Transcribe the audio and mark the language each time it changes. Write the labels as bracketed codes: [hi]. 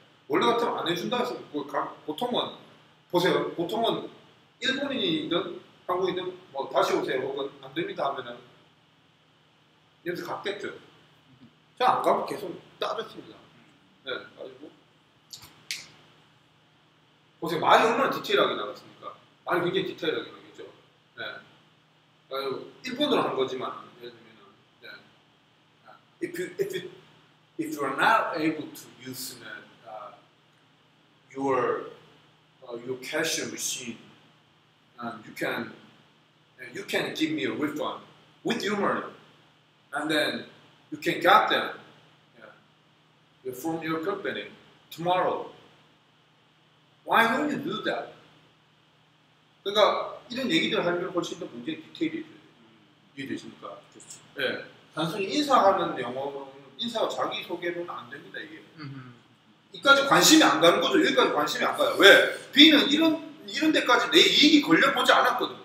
[ko] 원래 같으면 안 해준다 해서 보통은 보세요 보통은 일본인이든 한국인이든 뭐 다시 오세요 혹은 안 됩니다 하면은 이래서 갔겠죠 제가 안 가면 계속 따졌습니다 네, 가지고 보세요 말이 얼마나 디테일하게 나갔습니까? 말이 굉장히 디테일하게 나갔죠. 네, 일본어로 한 거지만 예를 들면, 네. [en] If you are not able to use your cashier machine, you can give me a refund with your money, and then you can get them. From your company tomorrow. Why don't you do that? [ko] 그러니까 이런 얘기들 하면 훨씬 더 문제 디테일이 이해되십니까? 예, 단순히 인사하는 영어는 인사와 자기소개로는 안 됩니다 이게. 이까지 관심이 안 가는 거죠. 여기까지 관심이 안 가요. 왜? B는 이런 데까지 내 이익이 걸려보지 않았거든요.